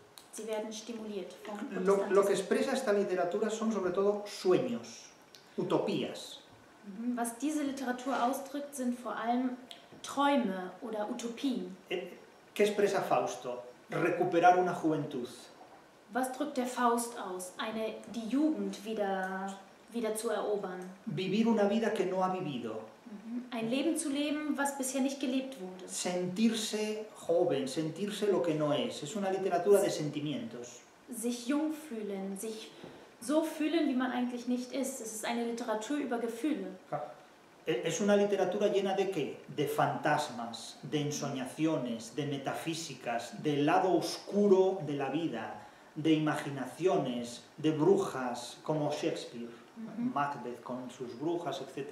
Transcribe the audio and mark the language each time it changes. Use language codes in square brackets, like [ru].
[de] Sie werden stimuliert vom Protestantismus. [es] Lo que expresa esta literatura son sobre todo sueños, utopías. [de] Was diese Literatur ausdrückt, sind vor allem Träume oder Utopien. [es] ¿Qué expresa Fausto? Recuperar una juventud. [de] Was drückt der Faust aus? Die Jugend wieder zu erobern. [es] Vivir una vida que no ha vivido. [de] Ein Leben zu leben, was bisher nicht gelebt wurde. [es] Sentirse joven, sentirse lo que no es. Es una literatura de sentimientos. [de] Sich jung fühlen, sich so fühlen, wie man eigentlich nicht ist. Es ist eine Literatur über Gefühle. [es] Es una literatura llena de qué? De fantasmas, de ensoñaciones, de metafísicas, del lado oscuro de la vida, de imaginaciones, de brujas, como Shakespeare, Macbeth con sus brujas, etc.